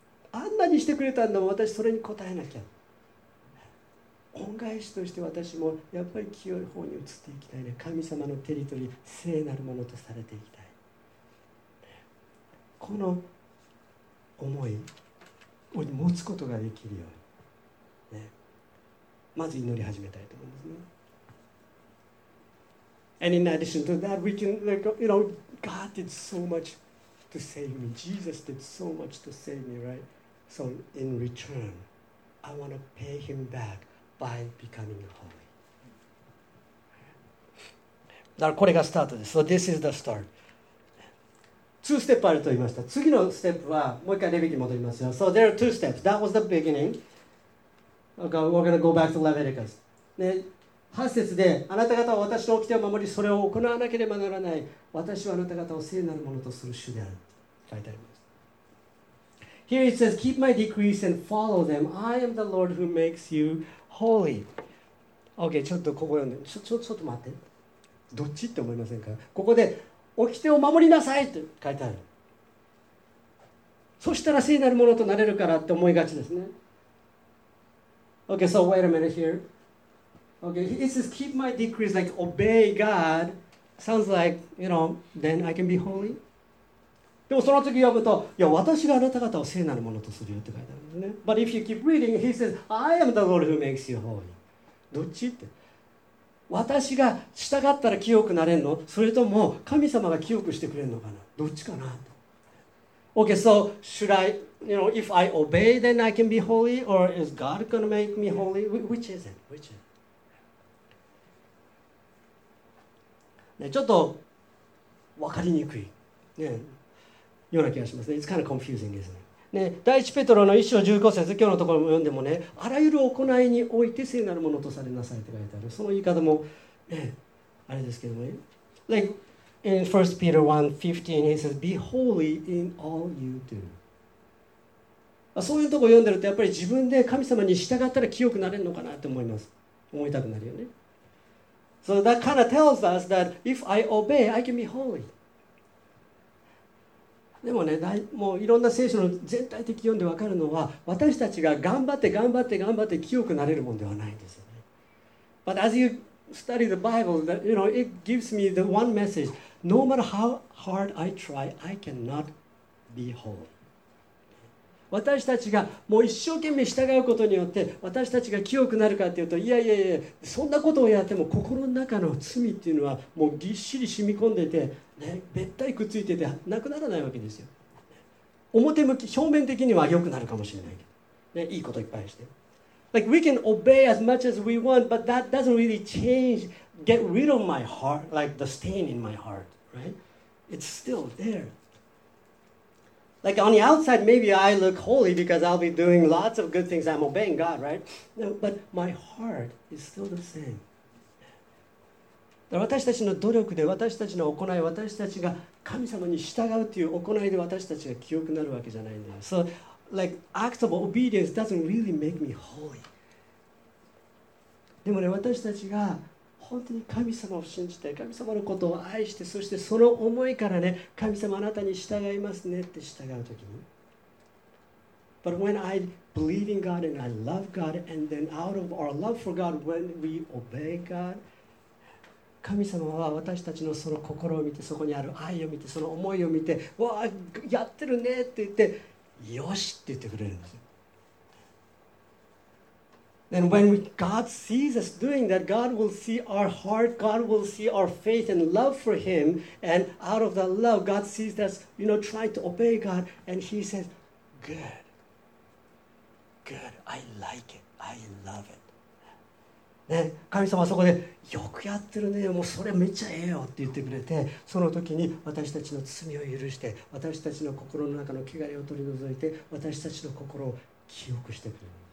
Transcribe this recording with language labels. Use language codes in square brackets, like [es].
[ja] あんなにしてくれたんだもん、私それに応えなきゃ。恩返しとして私もやっぱり清い方に移っていきたいね。神様のテリトリー、聖なるものとされていきたい。この思いを持つことができるように、ね、まず祈り始めたいと思うんですね。 [en] And in addition to that, we can, like, you know, God did so much to save me. Jesus did so much to save me, right? So in return, I want to pay him back by becoming holy. [ja] だからこれがスタートです。 [en] So this is the start. [ja] 2ステップあると言いました。次のステップはもう一回レビキに戻りますよ。 [en] So there are two steps. That was the beginning. Okay, we're going to go back to Leviticus.、 [ja] ね、8節で、あなた方は私の掟を守り、それを行わなければならない。私はあなた方を聖なるものとする主である。書いてあります。 [en] Here it says, keep my decrees and follow them. I am the Lord who makes you holy. [ja] Okay, ちょっとここ読んで。ちょっと待って。どっちって思いませんか?ここで、掟を守りなさいと書いてある。そしたら聖なるものとなれるからって思いがちですね。 [en] Okay, so wait a minute here. Okay, it says keep my decrees, like obey God. Sounds like, you know, then I can be holy. [ja] でもその次読むと、いや、私があなた方を聖なるものとするよって書いてあるんですね。 [en] But if you keep reading, he says, I am the Lord who makes you holy. [ja] どっちって。私が従ったら清くなれるの?それとも神様が清くしてくれるのかな? どっちかな? [en] Okay, so should I, you know, if I obey, then I can be holy? Or is God going to make me holy? Which is it? Which is it? [ja] ね、ちょっと分かりにくい、ね、ような気がしますね。 [en] It's kind of confusing, isn't it? [ja] ね、第一ペトロの1章15節、今日のところも読んでもね、あらゆる行いにおいて聖なるものとされなさいって書いてある。その言い方も、ね、あれですけどもね。 [en] Like in 1 Peter 1:15, he says, Be holy in all you do. [ja] そういうとこ読んでるとやっぱり自分で神様に従ったら清くなれるのかなって思います。思いたくなるよね。 [en] So that kind of tells us that if I obey, I can be holy. [ja] でもね、もういろんな聖書の全体的読んでわかるのは、私たちが頑張って頑張って頑張って清くなれるものではないんですよね。 [en] But as you study the Bible, that, you know, it gives me the one message. No matter how hard I try, I cannot be holy. [ja] 私たちがもう一生懸命従うことによって私たちが清くなるかっていうと、いやいやいや、そんなことをやっても心の中の罪っていうのはもうぎっしり染み込んでて、ね、べったりくっついててなくならないわけですよ。表向き、表面的には良くなるかもしれないけど、ね、いいこといっぱいして [en] Like we can obey as much as we want, but that doesn't really change, get rid of my heart, like the stain in my heart, right? It's still there. Like on the outside, maybe I look holy because I'll be doing lots of good things. I'm obeying God, right? No, but my heart is still the same. [ja] だから私たちの努力で、私たちの行い、私たちが神様に従うという行いで私たちが清くなるわけじゃないんだよ。 [en] So, like, acts of obedience doesn't really make me holy. [ja] でもね、私たちが本当に神様を信じて、神様のことを愛して、そしてその思いからね、神様あなたに従いますねって従うときに。 [en] But when I believe in God and I love God, and then out of our love for God, when we obey God, [ja] 神様は私たちのその心を見て、そこにある愛を見て、その思いを見て、わあ、やってるねって言って、よしって言ってくれるんですよ。 [en] And when God sees us doing that, God will see our heart, God will see our faith and love for Him, and out of that love, God sees us, you know, trying to obey God, and He says, good, good, I like it, I love it. [ja] ね、神様はそこで、よくやってるね、もうそれめっちゃええよって言ってくれて、その時に私たちの罪を許して、私たちの心の中の汚れを取り除いて、私たちの心を清くしてくれる。